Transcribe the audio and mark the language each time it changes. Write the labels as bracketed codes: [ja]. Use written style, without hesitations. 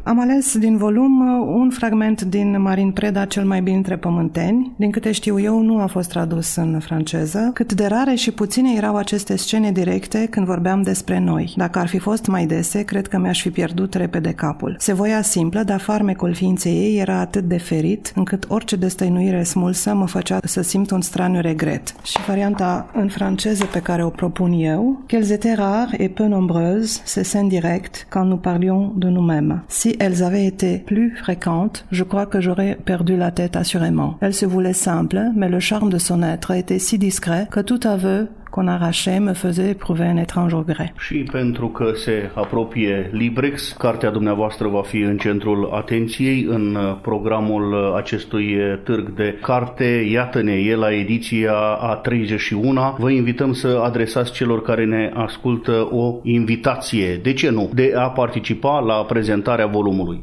[ro] Am ales din volum un fragment din Marin Preda, Cel mai bine între pământeni. Din câte știu eu, nu a fost tradus în franceză. engleză, cât de rare și puține erau aceste scene directe când vorbeam despre noi. Dacă ar fi fost mai dese, cred că mi-aș fi pierdut repede capul. Se voia simplă, dar farmecul ființei ei era atât de ferit, încât orice destăinuire smulsă mă făcea să simt un straniu regret. Și varianta în franceză pe care o propun eu, [fr] qu'elles étaient rares et peu nombreuses, ces scènes directes, quand nous parlions de nous-mêmes. Si elles avaient été plus fréquentes, je crois que j'aurais perdu la tête assurément. Elle se voulait simple, mais le charme de son être était si discret que tout aveu qu'on arrachait me faisait éprouver un étrange regret. [ro] Și pentru că se apropie Librex, cartea dumneavoastră va fi în centrul atenției în programul acestui târg de carte. Iată-ne, e la ediția a 31-a. Vă invităm să adresați celor care ne ascultă o invitație, de ce nu, de a participa la prezentarea volumului.